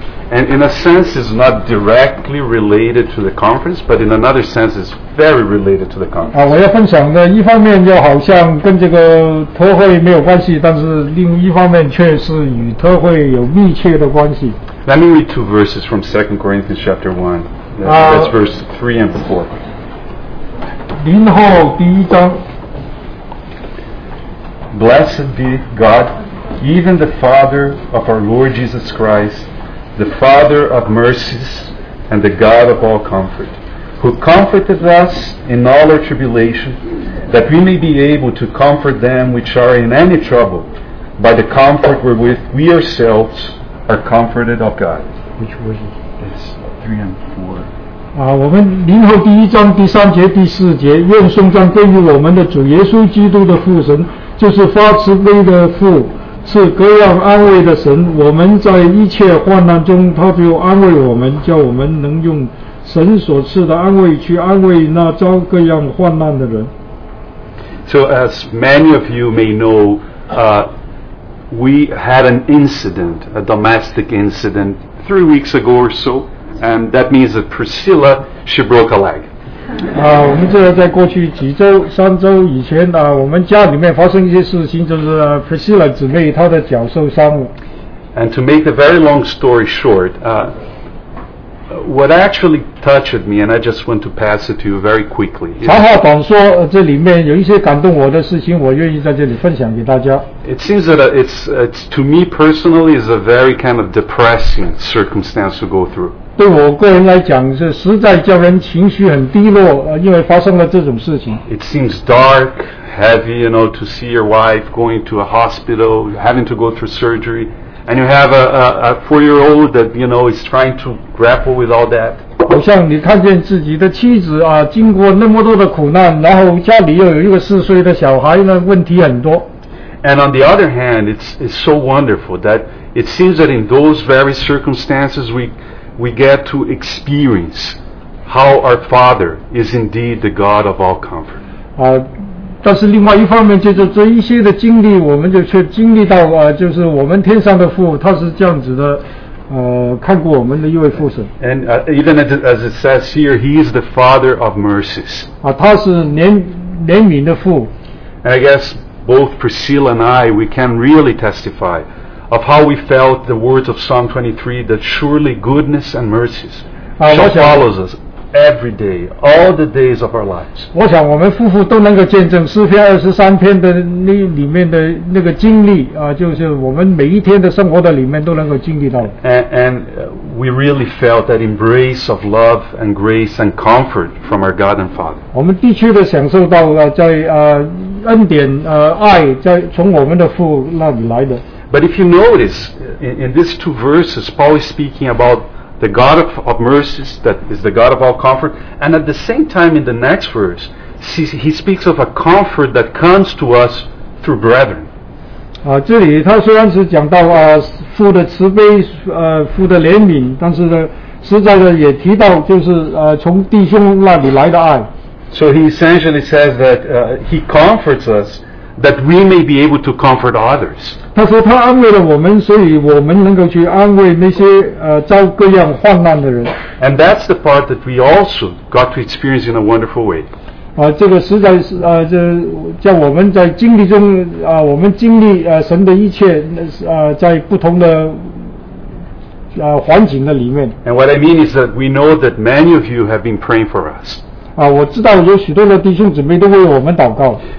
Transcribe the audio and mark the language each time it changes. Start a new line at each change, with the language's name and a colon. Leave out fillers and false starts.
English: And in a sense, it's not directly related to the conference, but in another sense, it's very related to the conference.
Chinese: 我要分享的一方面就好像跟这个特会没有关系，但是另一方面却是与特会有密切的关系。
English: Let me read two verses from 2 Corinthians chapter 1. That's verse 3 and 4.
Chinese: 林后第一章。
English: Blessed be God, even the Father of our Lord Jesus Christ, the Father of mercies and the God of all comfort, who comforted us in all our tribulation, that we may be able to comfort them which are in any trouble by the comfort wherewith we ourselves are comforted of God. Which verse? It's 3 and 4.
Chinese: 我们林后第一章第三节第四节，愿颂赞归于我们的主耶稣基督的父神，就是发慈悲的父，是各样安慰的神。我们在一切患难中，他就安慰我们，叫我们能用神所赐的安慰去安慰那遭各样患难的人。
English: So as many of you may know, we had an incident, a domestic incident, 3 weeks ago or so, and that means that Priscilla, she broke a leg.
Chinese: 我们这在过去几周、三周以前啊，我们家里面发生一些事情，就是Priscilla姊妹她的脚受伤了。
English: And to make a very long story short, what actually touched me, and I just want to pass it to you very quickly.
Chinese: 长话短说，这里面有一些感动我的事情，我愿意在这里分享给大家。
English: It seems that it's to me personally is a very kind of depressing circumstance to go through.
Chinese: 对我个人来讲是实在叫人情绪很低落，因为发生了这种事情。
English: It seems dark, heavy, you know, to see your wife going to a hospital, having to go through surgery, and you have a four-year-old that, you know, is trying to grapple with all that.
Chinese: 好像你看见自己的妻子啊，经过那么多的苦难，然后家里又有一个四岁的小孩呢，问题很多。
English: And on the other hand, it's so wonderful that it seems that in those very circumstances we get to experience how our Father is indeed the God of all comfort.
Chinese: 但是另外一方面就是这一些的经历我们就却经历到就是我们天上的父他是这样子的看过我们的一位父神。
English: And even as it says here, he is the Father of mercies.
Chinese: 他是怜悯的父。
English: And I guess both Priscilla and I, we can really testify of how we felt the words of Psalm 23, that surely goodness and mercies shall follow us every day, all the days of our lives.
Chinese: 我想我们夫妇都能够见证诗篇二十三篇的那里面的那个经历就是我们每一天的生活的里面都能够经历到。
English: And we really felt that embrace of love and grace and comfort from our God and Father.
Chinese: 我们的确的享受到在恩典爱在从我们的父那里来的。
English: But if you notice, in these two verses, Paul is speaking about the God of mercies, that is the God of all comfort, and at the same time in the next verse, he speaks of a comfort that comes to us through brethren.
Chinese: 这里他虽然是讲到父的慈悲父的怜悯，但是呢实在的也提到就是从弟兄那里来的爱。
English: So he essentially says that he comforts us that we may be able to comfort others.
Chinese: 他说他安慰了我们，所以我们能够去安慰那些遭各样患难的人。
English: And that's the part that we also got to experience in a wonderful way.
Chinese: 这个实在是这叫我们在经历中我们经历神的一切在不同的环境的里面。
English: And what I mean is that we know that many of you have been praying for us.
Chinese: 我知道有许多的弟兄姊妹都为我们祷告。